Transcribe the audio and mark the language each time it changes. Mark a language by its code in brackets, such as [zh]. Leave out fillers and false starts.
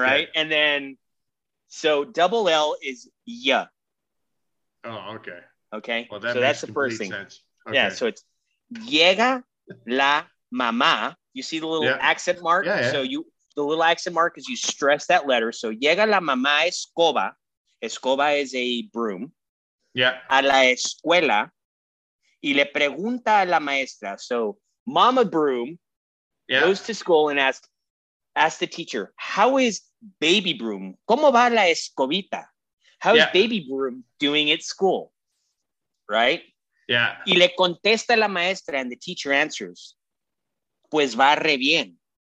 [en] All right, and then so double L is yeah. Oh, okay. Okay. Well, that's the first thing. Okay. Yeah. So it's [es] llega la mamá. [en] You see the little accent mark? Yeah, yeah. So the little accent mark is you stress that letter. [es] So llega la mamá escoba. [en] Escoba is a broom. Yeah. [es] A la escuela y le pregunta a la maestra. [en] So mama broom goes to school and asks the teacher, how is baby broom? [es] ¿Cómo va la escobita? [en] How is baby broom doing at school? Right? Yeah. [es] Y le contesta la maestra, [en] and the teacher answers, [es] pues va re bien.